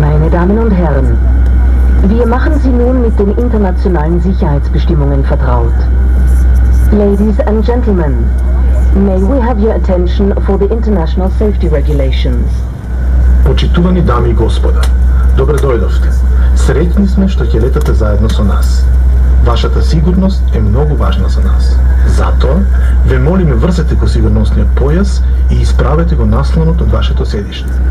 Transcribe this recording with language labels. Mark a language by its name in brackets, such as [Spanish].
[German] Damen und Herren, wir machen Sie nun mit den internationalen Sicherheitsbestimmungen vertraut. [English] Ladies and gentlemen, may we have your attention for the international safety regulations. [Macedonian] Почитувани дами и господа, добро дојдовте. Среќни сме што ќе летате заедно со нас. Вашата сигурност е многу важна за нас. Затоа, ве молиме врзете го сигурносниот појас и исправете го насланот од вашето седиште.